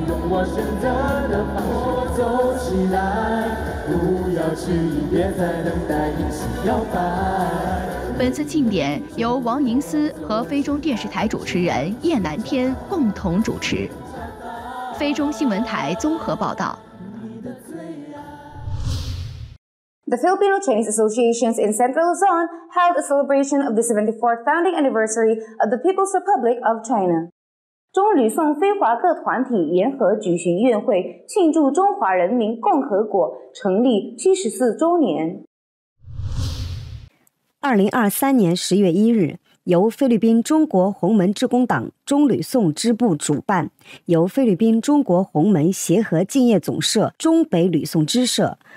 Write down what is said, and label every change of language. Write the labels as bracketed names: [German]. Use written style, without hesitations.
[Chinese] 我选择的方式走起来，不要迟疑，别再等待，一起摇摆。本次庆典由王宁思和非中电视台主持人叶南天共同主持，非中新闻台综合报道。 [English] The Filipino Chinese Associations in Central Luzon held a celebration of the 74th founding anniversary of the People's Republic of China. [Chinese] 中旅宋非华各团体联合举行院会，庆祝中华人民共和国成立74周年。 2023年10月1日，由菲律宾中国洪门致公党中旅宋支部主办，由菲律宾中国洪门协和敬业总社中北旅宋支社、